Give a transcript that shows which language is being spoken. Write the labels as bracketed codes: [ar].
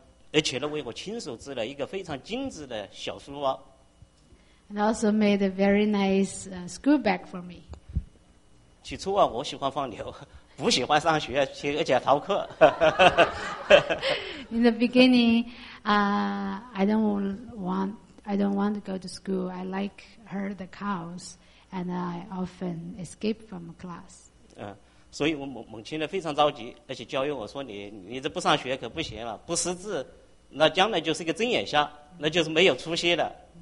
[zh] 而且呢，为我亲手织了一个非常精致的小书包。 [en] And also made a very nice school bag for me. [zh] 起初啊，我喜欢放牛。不喜欢上学，而且逃课。 [en] In the beginning, I don't want to go to school. I like herd the cows, and I often escape from class. [zh] 所以我母亲呢非常着急，而且教育我说你这不上学可不行了，不识字，那将来就是一个睁眼瞎，那就是没有出息的。